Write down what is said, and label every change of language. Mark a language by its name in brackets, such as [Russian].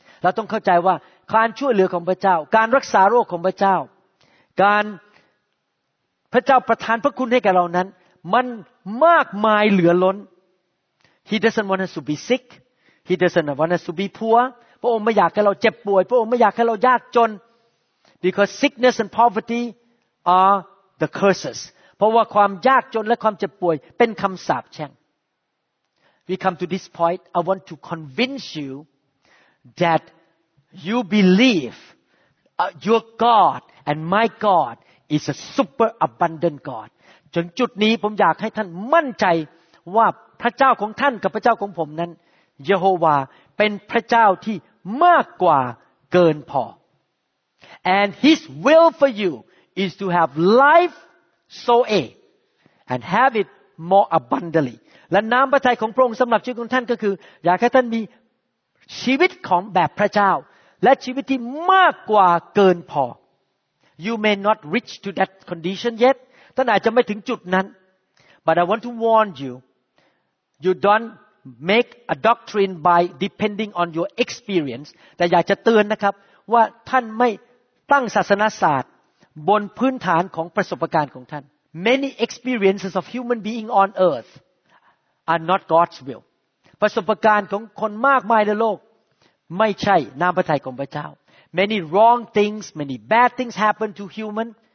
[Thai] เราต้องเข้าใจว่าการช่วยเหลือของพระเจ้าการรักษาโรคของพระเจ้าการพระเจ้าประทานพระคุณให้แก่เรานั้นมันมากมายเหลือล้น [English] He doesn't want us to be sick. He doesn't want us to be poor. [Thai] พระองค์ไม่อยากให้เราเจ็บป่วยพระองค์ไม่อยากให้เรายากจน [English] Because sickness and poverty are the curses [Thai] เพราะว่าความยากจนและความเจ็บป่วยเป็นคำสาปแช่ง [English] We come to this point. I want to convince you that you believe your God and my God is a super abundant God. [Thai] จนจุดนี้ผมอยากให้ท่านมั่นใจว่าพระเจ้าของท่านกับพระเจ้าของผมนั้นยะโฮวาเป็นพระเจ้าที่มากกว่าเกินพอ [English] And His will for you is to have lifeSo A, and have it more abundantly. [Thai] และน้ำพระทัยของพระองค์สำหรับชีวิตของท่านก็คืออยากให้ท่านมีชีวิตของแบบพระเจ้าและชีวิตที่มากกว่าเกินพอ [English] You may not reach to that condition yet. [Thai] ท่านอาจจะไม่ถึงจุดนั้น [English] But I want to warn you. You don't make a doctrine by depending on your experience. [Thai] แต่อยากจะเตือนนะครับว่าท่านไม่ตั้งศาสนศาสตร์บนพื้นฐานของประสบการณ์ของท่าน [English] Many experiences of human being on earth are not God's will [Thai] ประสบการณ์ของคนมากมายในโลกไม่ใช่น้ำพระทัยของพระเจ้า [English] Many wrong things, many bad things happen to human